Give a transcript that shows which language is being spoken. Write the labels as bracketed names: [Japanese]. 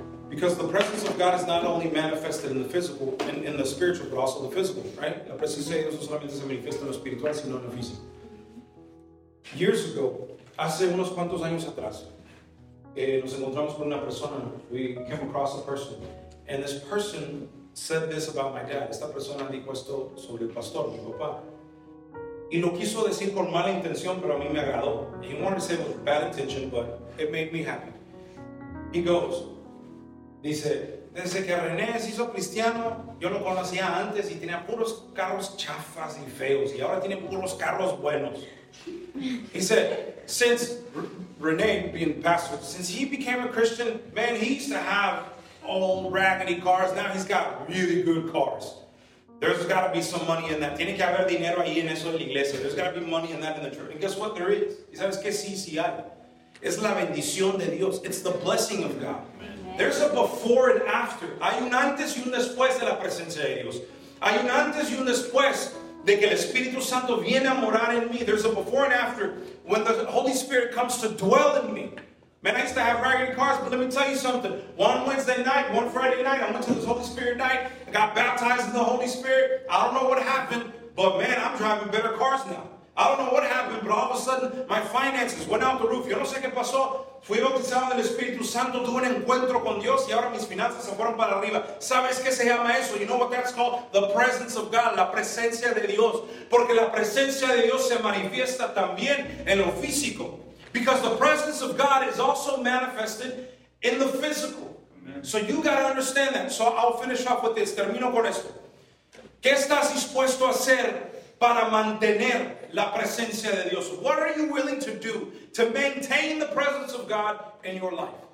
[English] Because the presence of God is not only manifested in the physical, in the spiritual, but also the physical, right? [Spanish] La presencia de Dios no solamente se manifiesta en lo espiritual, sino en lo físico. [English] Years ago, [Spanish] hace unos cuantos años atrás, nos encontramos con una persona. [English] We came across a person. And this person said this about my dad. [Spanish] Esta persona dijo esto sobre el pastor, mi papá. Y lo quiso decir con mala intención, pero a mí me agradó. [English] He wanted to say it with bad intention, but it made me happy. He goes, [Spanish] dice, desde que René se hizo cristiano, yo lo conocía antes y tenía puros carros chafas y feos. Y ahora tiene puros carros buenos. [English] He said, since Rene being pastor, since he became a Christian, man, he used to have old raggedy cars. Now he's got really good cars. There's got to be some money in that. [Spanish] Tiene que haber dinero ahí en eso en la iglesia. [English] There's got to be money in that in the church. And guess what? There is. [Spanish] ¿Y sabes qué? Sí, sí hay. Es la bendición de Dios. [English] It's the blessing of God. Amen. There's a before and after. [Spanish] Hay un antes y un después de la presencia de Dios. Hay un antes y un después de que el Espíritu Santo viene a morar en mí. [English] There's a before and after when the Holy Spirit comes to dwell in me. Man, I used to have raggedy cars, but let me tell you something. One Wednesday night, one Friday night, I went to this Holy Spirit night. I got baptized in the Holy Spirit. I don't know what happened, but man, I'm driving better cars now. I don't know what happened, but all of a sudden, my finances went out the roof. [Spanish] Yo no sé qué pasó. Fui bautizado en el Espíritu Santo, tuve un encuentro con Dios, y ahora mis finanzas se fueron para arriba. ¿Sabes qué se llama eso? [English] You know what that's called? The presence of God, [Spanish] la presencia de Dios. Porque la presencia de Dios se manifiesta también en lo físico. [English] Because the presence of God is also manifested in the physical. Amen. So you got to understand that. So I'll finish off with this. [Spanish] Termino con esto. ¿Qué estás dispuesto a hacer para mantener la presencia de Dios? [English] What are you willing to do to maintain the presence of God in your life?